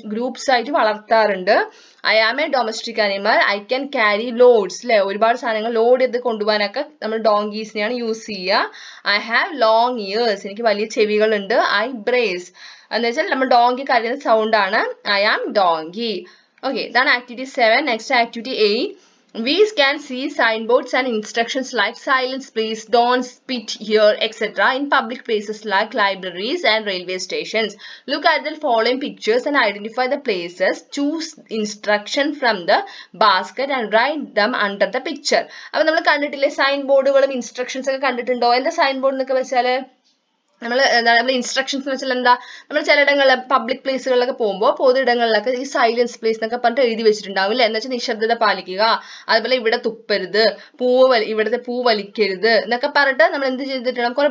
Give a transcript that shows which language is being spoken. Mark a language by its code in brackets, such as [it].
[ml] Groups ആയിട്ട് വളർത്താറുണ്ട്. [en] I am a domestic animal, I can carry loads [ml] അല്ലെ. ഒരുപാട് സാധനങ്ങൾ ലോഡ് ചെയ്ത് കൊണ്ടുപോകാനൊക്കെ നമ്മൾ ഡോങ്കീസിനെയാണ് യൂസ് ചെയ്യുക. [en] I have long ears, [ml] എനിക്ക് വലിയ ചെവികളുണ്ട്. ഐ ബ്രേസ് എന്ന് വെച്ചാൽ നമ്മൾ ഡോങ്കി കരയുന്ന സൗണ്ട് ആണ്. [en] I am donkey. [ml] ഓക്കെ, ഇതാണ് activity 7. Next activity 8. [en] We can see signboards and instructions like silence please, don't spit here, etc. in public places like libraries and railway stations. Look at the following pictures and identify the places. Choose instruction from the basket and write them under the picture. [ml] Appo nammal kandittille signboardukalum instructions okke kandittundo? Endha signboard nokke vachale നമ്മൾ എന്താ, നമ്മൾ instructions എന്ന് വെച്ചാൽ എന്താ, നമ്മൾ ചിലയിടങ്ങളിൽ public പ്ലേസുകളിലൊക്കെ പോകുമ്പോൾ പൊതുയിടങ്ങളിലൊക്കെ ഈ സൈലൻസ് പ്ലേസ് എന്നൊക്കെ പറഞ്ഞിട്ട് എഴുതി വെച്ചിട്ടുണ്ടാവും അല്ലേ. എന്ന് വെച്ചാൽ നിശബ്ദത പാലിക്കുക, അതുപോലെ ഇവിടെ തുപ്പരുത്, ഇവിടുത്തെ പൂ വലിക്കരുത് എന്നൊക്കെ പറഞ്ഞിട്ട് നമ്മൾ എന്ത് ചെയ്തിട്ടുണ്ടാവും?